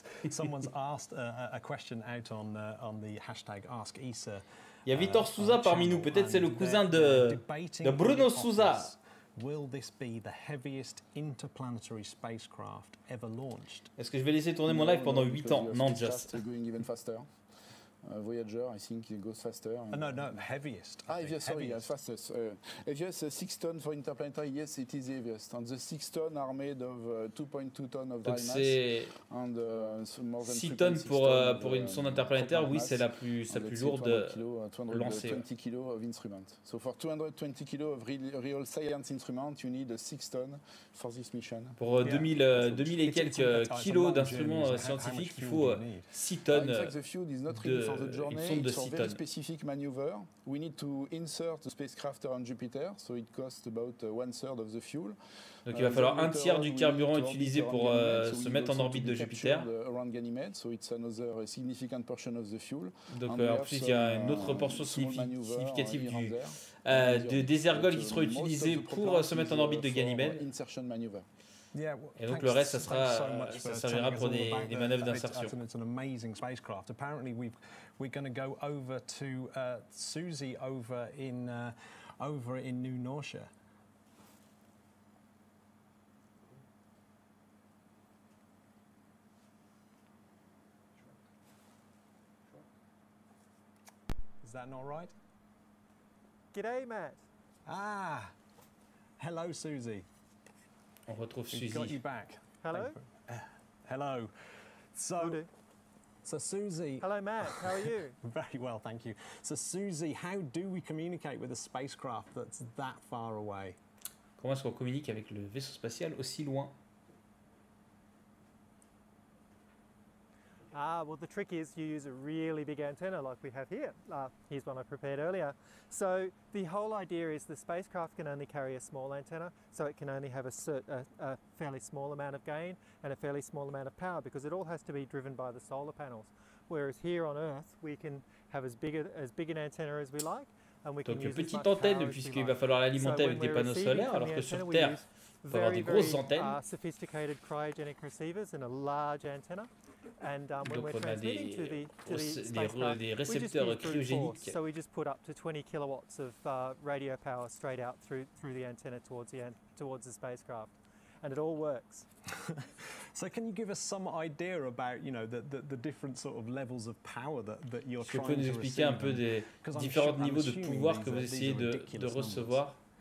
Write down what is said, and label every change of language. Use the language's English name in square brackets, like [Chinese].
[English] Someone's asked a question out on the hashtag Ask ESA. [French] Il y a Vitor Souza parmi nous, peut-être c'est le cousin de Bruno Souza. [English] Will this be the heaviest interplanetary spacecraft ever launched? [French] Est-ce que je vais laisser tourner mon live pendant 8 ans? [English] Non, just. Going even faster. Voyager, I think it goes faster. No, heaviest. Fastest. Heaviest, 6 tonnes for interplanetary, yes, it is heaviest. And the 6 tonnes are made of 2.2 tonnes of dry mass. And more than 6 tonnes [French] pour une sonde interplanetaire, oui, c'est la plus lourde lancée. [English] 220 kilos of instrument. So for 220 kilos of real science instrument, you need 6 tonnes for this mission. [French] Pour 2000 et quelques kilos d'instruments scientifiques, il faut 6 tonnes [English] Very specific maneuver. We need to insert the spacecraft around Jupiter, so it costs about one third of the fuel. [French] Donc il va falloir un tiers du carburant utilisé pour se mettre en orbite de Jupiter. [English] So it's another significant portion of the fuel. [French] Donc en plus il y a une autre portion significative du des ergols qui seront utilisés pour se mettre en orbite de Ganymède. Et donc le reste, ça servira pour des manœuvres d'insertion. [English] It's an amazing spacecraft. Apparently, we're going to go over to Susie over in New Norcia. Is that not right? G'day, Matt. Ah, hello, Susie. [French] On retrouve Suzy. [English] Got you back. Hello. Hello. So Suzy. Hello, Matt. How are you? Very well, thank you. So Suzy, how do we communicate with a spacecraft that's that far away? [French] Comment est-ce qu'on communique avec le vaisseau spatial aussi loin? [English] Ah, well, the trick is you use a really big antenna like we have here. Here's one I prepared earlier. So the whole idea is the spacecraft can only carry a small antenna, so it can only have a fairly small amount of gain and a fairly small amount of power because it all has to be driven by the solar panels. Whereas here on Earth, we can have as big an antenna as we like, and we can [French] use petite antenne, puisqu'il va falloir l'alimenter avec des panneaux solaires, alors que sur Terre, il faut avoir des grosses antennes. [English] Very, very sophisticated cryogenic receivers and a large antenna. And [French] donc [English] when we're [French] des récepteurs cryogéniques. [English] So we just put up to 20 kilowatts of radio power straight out through the antenna towards the spacecraft, and it all works. So can you give us some idea about, you know, the different sort of levels of power that you're trying to receive? [French] Je peux nous expliquer un peu des différents niveaux de pouvoir que vous essayez de recevoir.